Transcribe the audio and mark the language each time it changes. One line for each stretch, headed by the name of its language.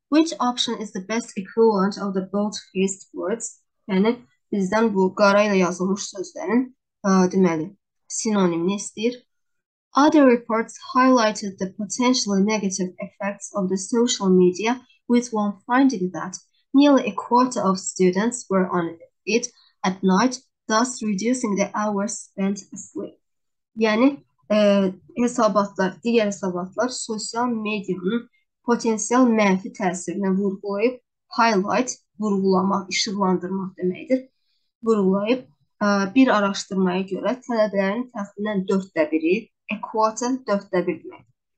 English: Which option is the best equivalent of the bold-faced words?
Azerbaijani: Yəni, bizdən bu qara ilə yazılmış sözlərin, deməli, sinonimini istəyir.
English: Other reports highlighted the potentially negative effects of the social media with one finding that nearly a quarter of students were on it at night, thus reducing the hours spent asleep.
Azerbaijani: Yəni, hesabatlar, digər hesabatlar sosial medianın potensial mənfi təsirini vurgulayıb, highlight, vurgulamaq, işıqlandırmaq deməkdir. Vurgulayıb, bir araşdırmaya görə tələbələrin təxminən 4-də 1-i, a quarter 4-də 1 deməkdir.